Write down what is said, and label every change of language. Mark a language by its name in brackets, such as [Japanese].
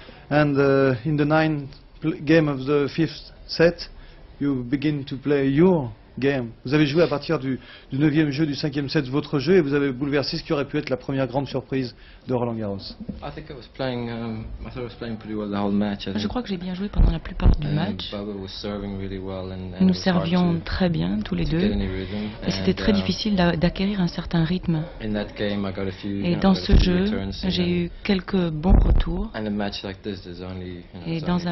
[English] And in the ninth game of the fifth set, you begin to play your game. [French] Vous avez joué à partir du neuvième jeu, du cinquième set, votre jeu, et vous avez bouleversé ce qui aurait pu être la première grande surprise de Roland-Garros. [English] I thought I was playing pretty well the whole match. [French] Je crois que j'ai bien joué pendant la plupart du match. [English] Baba was serving really well [French] Nous servions très bien tous les deux, et c'était très difficile d'acquérir un certain rythme. [English] In that game, I got a few, [French] et dans ce jeu, j'ai eu quelques bons retours. [English] And a match like this is only, [French] et dans un